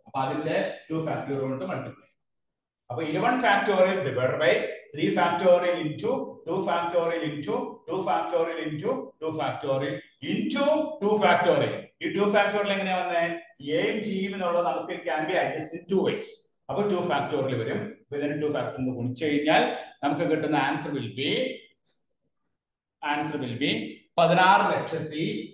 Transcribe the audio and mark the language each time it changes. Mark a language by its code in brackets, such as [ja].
[ml] അപ്പോൾ അതിന്റെ 2 factorial കൊണ്ട് മൾട്ടിപ്ലൈ. [en] അപ്പോൾ 11 factorial divided by 3 factorial into 2 factorial into 2 factorial into 2 factorial into 2 factorial. [ml] ഈ 2 factorial എങ്ങനെയാ വന്നേ? എയും ജിയും എന്നുള്ളത് നമുക്ക് [en] can be adjusted in 2 ways. [ml] അപ്പൊ 2 factorial വരും. അപ്പൊ ഇതിന് 2 factorial ഗുണിച്ചു കഴിഞ്ഞാൽ നമുക്ക് കിട്ടുന്ന ആൻസർ [en] will be [ml] 16,63,200.